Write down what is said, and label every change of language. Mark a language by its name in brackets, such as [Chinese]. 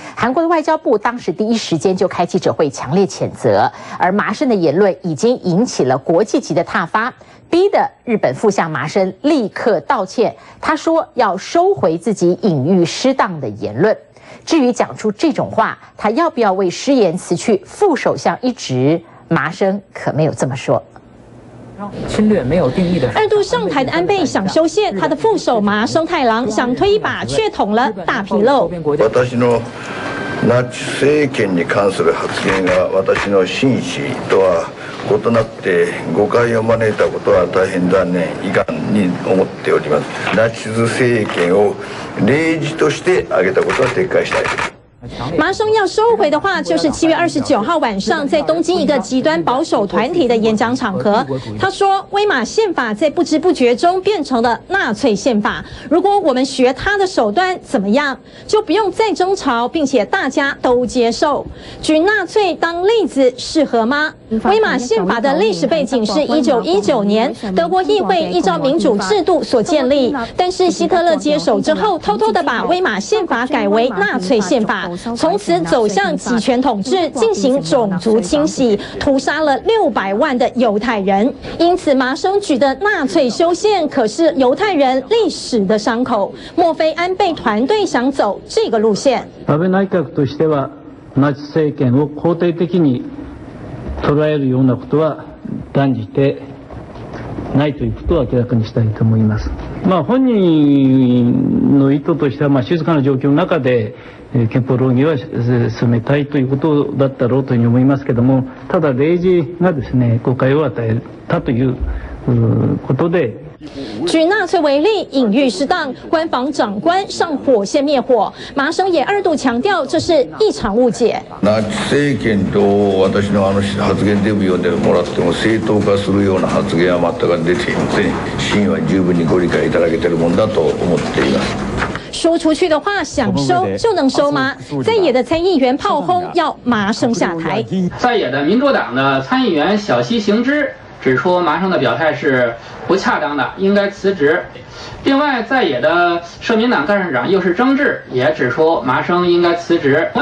[Chinese] 韩国的外交部当时第一时间就开记者会强烈谴责，而麻生的言论已经引起了国际级的挞伐，逼得日本副相麻生立刻道歉，他说要收回自己隐喻失当的言论。至于讲出这种话，他要不要为失言辞去副首相一职，麻生可没有这么说。侵略没有定义的二度上台的安倍想修宪，他的副手麻生太郎想推一把却捅了大纰漏。 [Japanese] 私のナチ政権に関する発言が私の真摯とは異なって誤解を招いたことは大変残念遺憾に思っております。ナチズ政権を例示として挙げたことは撤回したい。 [Chinese] 麻生要收回的话，就是7月29号晚上在东京一个极端保守团体的演讲场合，他说威玛宪法在不知不觉中变成了纳粹宪法，如果我们学他的手段怎么样，就不用再争吵，并且大家都接受。举纳粹当例子适合吗？威玛宪法的历史背景是1919年德国议会依照民主制度所建立，但是希特勒接手之后偷偷的把威玛宪法改为纳粹宪法，从此走向集权统治，进行种族清洗，屠杀了600万的犹太人。因此麻生举的纳粹修宪可是犹太人历史的伤口，莫非安倍团队想走这个路线？ [Japanese] 安倍内閣としてはナチ政権を肯定的に捉えるようなことは断じてないということを明らかにしたいと思います。まあ、本人の意図としては、まあ、静かな状況の中で憲法論議は進めたいということだったろうというふうに思いますけども、ただ例示がですね、誤解を与えたということで。 [Chinese] 举纳粹为例，隐喻失当，官房长官上火线灭火。麻生也二度强调，这是一场误解。 [Japanese] ナチ政権と私のあの発言で読んでもらっても正当化するような発言は全く出ていません。真意は十分にご理解いただけているものだと思っています。 [Chinese] 说出去的话想收就能收吗？在野的参议员炮轰要麻生下台。在野的民主党的参议员小西行之指出麻生的表态是不恰当的，应该辞职。另外在野的社民党干事长又是征治也指出麻生应该辞职。